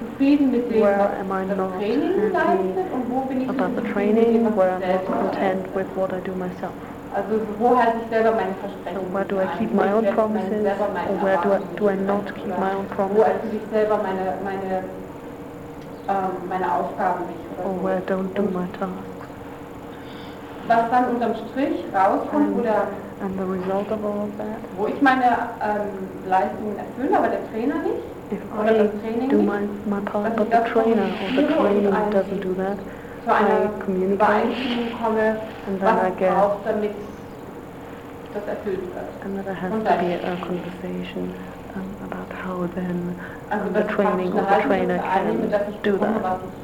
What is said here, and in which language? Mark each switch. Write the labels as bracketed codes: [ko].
[de] zufrieden mit dem, was das Training leistet und wo bin ich [en] about the training, where I'm not content with what I do myself. [de] Also wo halte ich selber meine Versprechungen? [en] So where do I keep my own promises? Or where do I not keep my own promises? [de] Wo erfülle ich selber meine Aufgaben nicht? [en] Or where I don't do my tasks? [de] Was dann unterm Strich rauskommt oder [en] and the result of all of that, [de] wo ich meine Leistungen erfülle, aber der Trainer nicht [en] if [de] oder [en] I [de] das Training [en] do [de] nicht, [en] my part, but the trainer or the training doesn't do that, [de] zu einer Übereinstimmung komme, [en] and then [de] was [en] I get, [de] auch damit das erfüllt wird. [en] And then there has to be a conversation about how then [de] also [en] the training or the trainer can do that.